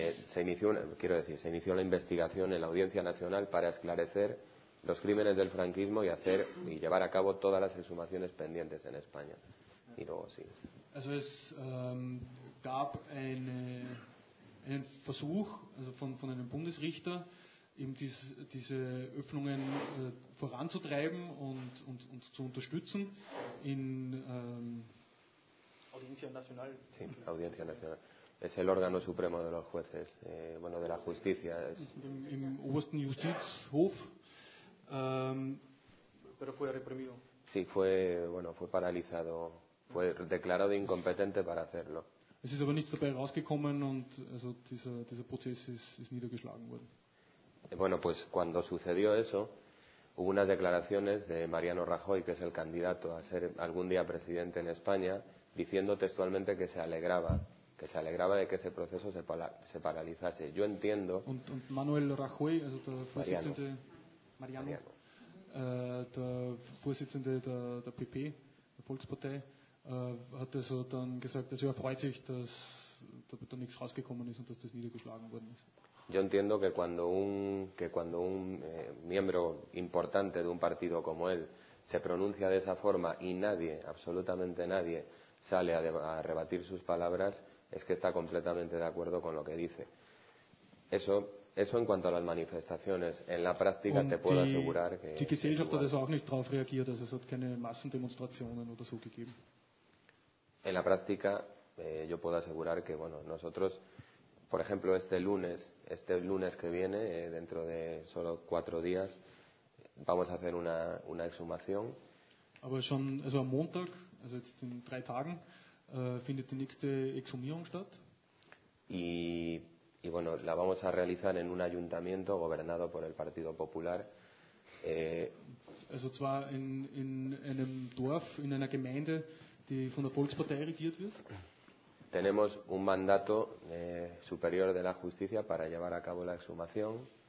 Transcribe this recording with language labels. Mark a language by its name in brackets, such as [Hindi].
[Spanish] Se inició la investigación en la Audiencia Nacional para esclarecer los crímenes del franquismo y hacer y llevar a cabo todas las exhumaciones pendientes en España. Y luego sí. [German] Also es gab einen Versuch also von einem Bundesrichter eben diese Öffnungen voranzutreiben und zu unterstützen in [Spanish] Audiencia Nacional. Sí, Audiencia Nacional. Es el órgano supremo de los jueces, bueno, de la justicia. [German] Im obersten Justizhof. [Spanish] Pero fue reprimido. Sí, fue, bueno, fue paralizado. Fue declarado incompetente para hacerlo. [German] Es ist aber nichts dabei rausgekommen und also dieser Prozess ist niedergeschlagen worden. [Spanish] Bueno, pues cuando sucedió eso, hubo unas declaraciones de Mariano Rajoy, que es el candidato a ser algún día presidente en España, diciendo textualmente que se alegraba. Que se alegraba de que ese proceso se paralizase. Yo entiendo. [German] Und Manuel Rajoy, also der Vorsitzende Mariano. Der Vorsitzende der PP, der Volkspartei, hat also dann gesagt, dass er freut sich, dass da nichts rausgekommen ist und dass das niedergeschlagen worden ist. [Spanish] Yo entiendo que cuando un miembro importante de un partido como él se pronuncia de esa forma y nadie, absolutamente nadie, sale a rebatir sus palabras, es que está completamente de acuerdo con lo que dice. Eso en cuanto a las manifestaciones. En la práctica te puedo asegurar que... [German] Die Gesellschaft hat es auch nicht drauf reagiert, also es hat keine Massendemonstrationen oder so gegeben. [Spanish] En la práctica yo puedo asegurar que, bueno, nosotros, por ejemplo, este lunes que viene, dentro de solo 4 días, vamos a hacer una exhumación. [German] Aber schon, also am Montag, also jetzt in 3 Tagen, findet die nächste Exhumierung statt. [Spanish] Y bueno, la vamos a realizar en un ayuntamiento gobernado por el Partido Popular. [German] Also zwar in einem Dorf, in einer Gemeinde, die von der Volkspartei regiert wird. [Spanish] Tenemos un mandato superior de la justicia para llevar a cabo la exhumación.